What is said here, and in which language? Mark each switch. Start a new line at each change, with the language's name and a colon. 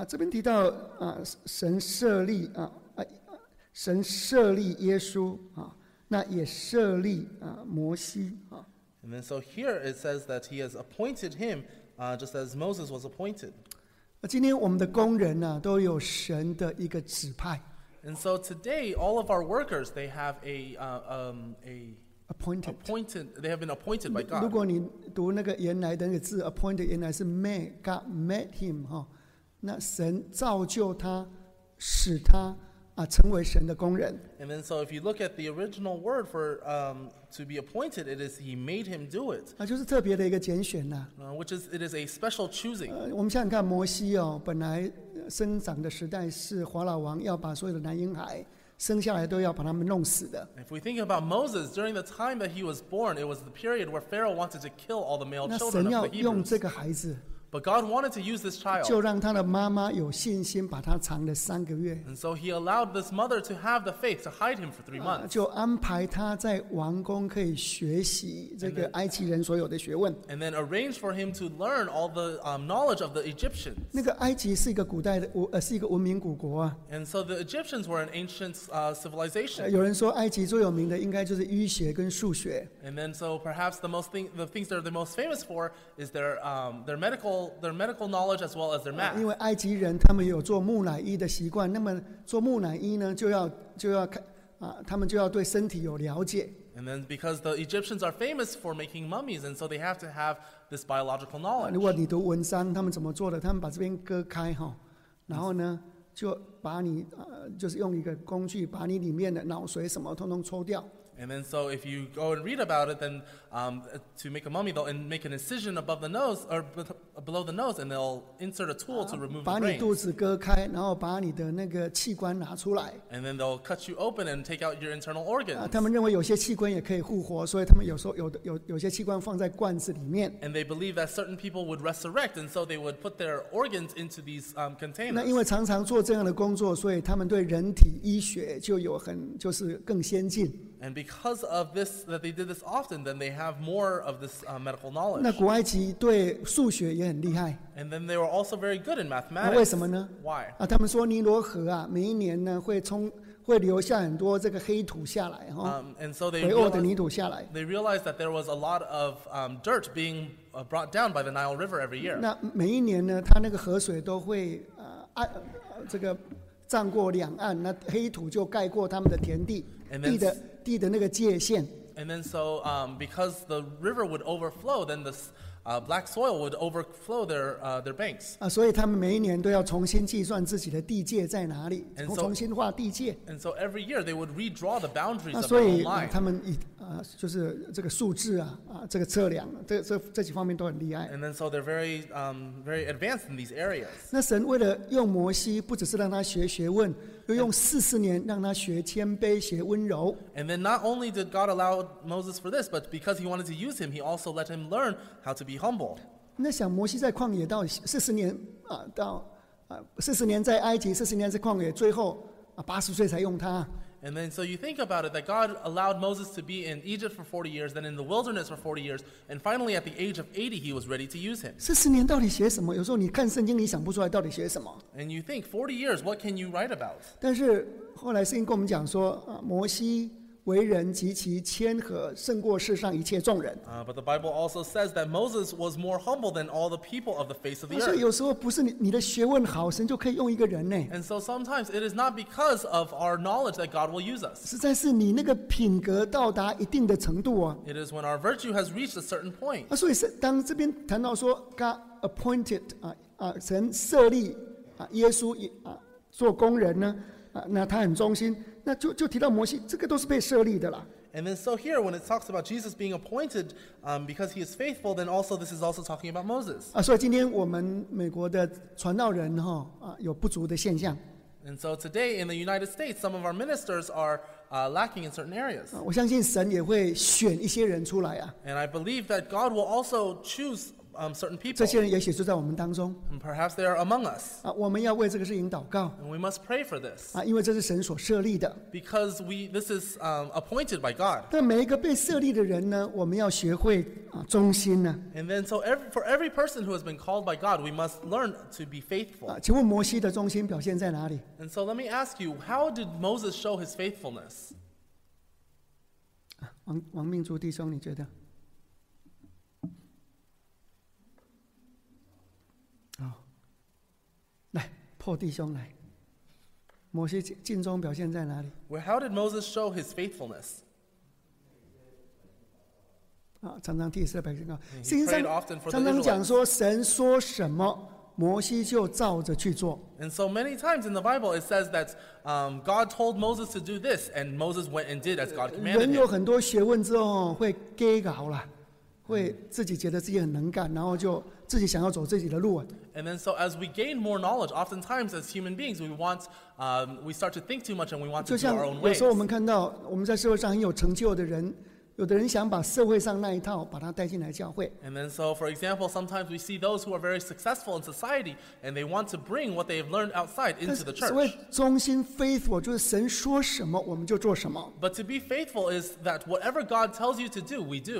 Chinese: 这边提到神设立神设立耶稣那也设立摩西
English: And then so here it says that he has appointed him just as Moses was appointed.
Chinese: 今天我们的工人都有神的一个指派。
English: And so today, all of our workers, they have appointed. They have been appointed by God.
Chinese: 如果你读那个原来的那个字 appointed 原来是
English: made God made him
Chinese: 那神造就他使他成为神的工人。
English: And then so if you look at the original word for to be appointed it is he made him do it.
Chinese: 就是特别的一个拣选啊。
English: Which is it is a special choosing.
Chinese: 我们想想看摩西哦，本来生长的时代是法老王要把所有的男婴孩生下来都要把他们弄死的。
English: If we think about Moses, during the time that he was born, it was the period where Pharaoh wanted to kill all the male children of the Hebrews.
Chinese: 那神要用这个孩子。
English: But God wanted to use this child.
Chinese: 就让他的妈妈有信心把他藏了三个月。
English: And so he allowed this mother to have the faith to hide him for 3 months.
Chinese: 就安排他在王宫可以学习这个埃及人所有的学问。
English: And then arranged for him to learn all the knowledge of the Egyptians.
Chinese: 那个埃及是一个古代的是一个文明古国啊。
English: And so the Egyptians were an ancient civilization.
Chinese: 有人说埃及最有名的应该就是医学跟数学。
English: And then so perhaps the things they're the most famous for is their medical knowledge as well as their math.
Chinese: 因为埃及人他们有做木乃伊的习惯，那么做木乃伊呢，就要他们就要对身体有了解。
English: And then because the Egyptians are famous for making mummies, and so they have to have this biological knowledge.
Chinese: 如果你读文山，他们怎么做的？他们把这边割开哈，然后呢，就把你就是用一个工具把你里面的脑髓什么通通抽掉。
English: And then so if you go and read about it, then to make a mummy, they'll make an incision above the nose or below the nose, and they'll insert a tool to remove the brain.
Chinese: 把你肚子割开，然后把你的那个器官拿出来。
English: And then they'll cut you open and take out your internal organs.
Chinese: 他们认为有些器官也可以复活，所以他们有时候有些器官放在罐子里面。
English: And they believe that certain people would resurrect, and so they would put their organs into these containers.
Chinese: 那因为常常做这样的工作，所以他们对人体医学就有很就是更先进。
English: And because of this, that they did this often, then they have more of this medical knowledge.
Chinese: 那古埃及对数学也很厉害。
English: And then they were also very good in mathematics.
Chinese: 那为什么呢？
English: Why?
Chinese: 啊，他们说尼罗河啊，每一年呢会留下很多这个黑土下来哈。
English: And so they
Chinese: 回沃的泥土下来。
English: They realized that there was a lot of dirt being brought down by the Nile River every year.
Chinese: 那每一年呢，它那个河水都会这个涨过两岸，那黑土就盖过他们的田地地的。地的那个界限。
English: And then so because the river would overflow, then the black soil would overflow their banks.
Chinese: 啊，所以他们每一年都要重新计算自己的地界在哪里，重新画地界。 And so every year they would redraw the boundaries of the line. 所以他们就是这个数字这个测量，这几方面都很厉害。
English: And then so they're very very advanced in these areas.
Chinese: 那神为了用摩西，不只是让他学学问。又用四十年让他学谦卑学温柔。
English: And then not only did God allow Moses for this, but because he wanted to use him, he also let him learn how to be humble.
Chinese: 那想摩西在旷野到四十年到四十年在埃及，四十年在旷野，最后八十岁才用他。
English: And then so you think about it, that God allowed Moses to be in Egypt for 40 years, then in the wilderness for 40 years, and finally at the age of 80, he was ready to use him.
Chinese: 40 年到底写什么？有时候你看圣经，你想不出来到底写什么。
English: And you think, 40 years, what can you write about?
Chinese: 但是后来圣经跟我们讲说，摩西为人极其谦和，胜过世上一切众人。
English: But the Bible also says that Moses was more humble than all the people of the face of the earth.
Chinese: 所以有时候不是你的学问好，神就可以用一个人呢。
English: And so sometimes it is not because of our knowledge that God will use us.
Chinese: 实在是你那个品格到达一定的程度啊。
English: It is when our virtue has reached a certain point.
Chinese: 所以当这边谈到说
English: God appointed
Chinese: 神设立耶稣做工人呢，那他很忠心。那就提到摩西，这个都是被设立的啦。
English: And then so here, when it talks about Jesus being appointed, because he is faithful, then also this is also talking about Moses.
Chinese: 所以今天我们美国的传道人哈有不足的现象。
English: And so today in the United States, some of our ministers are lacking in certain areas.
Chinese: 我相信神也会选一些人出来啊。
English: And I believe that God will also choose certain people.
Chinese: 这些人也许就在我们当中。
English: And perhaps they are among us.
Chinese: 我们要为这个事情祷告。
English: And we must pray for this.
Chinese: 因为这是神所设立的。
English: Because this is appointed by God.
Chinese: 但每一个被设立的人呢，我们要学会忠心呢。
English: And then so for every person who has been called by God, we must learn to be faithful.
Chinese: 请问摩西的忠心表现在哪里？
English: And so let me ask you, how did Moses show his faithfulness?
Chinese: 王明珠弟兄，你觉得？破弟兄来，摩西尽忠表现在哪里？
English: Well, how did Moses show his faithfulness?
Chinese: 常常替以色列百姓祷告。圣经上常常讲说，神说什么，摩西就照着去做。
English: And so many times in the Bible it says that God told Moses to do this, and Moses went and did as God commanded.
Chinese: 人有很多学问之后会给搞了，会自己觉得自己很能干，然后就自己想要走自己的路啊。
English: And then so as we gain more knowledge, oftentimes as human beings, we start to think too much and we want to do our own ways.
Chinese: 就像有时候我们看到我们在社会上很有成就的人，有的人想把社会上那一套把它带进来教会。
English: And then so for example, sometimes we see those who are very successful in society and they want to bring what they've learned outside into the church.
Chinese: 所谓忠心 faithful 就是神说什么我们就做什么。
English: But to be faithful is that whatever God tells you to do, we do.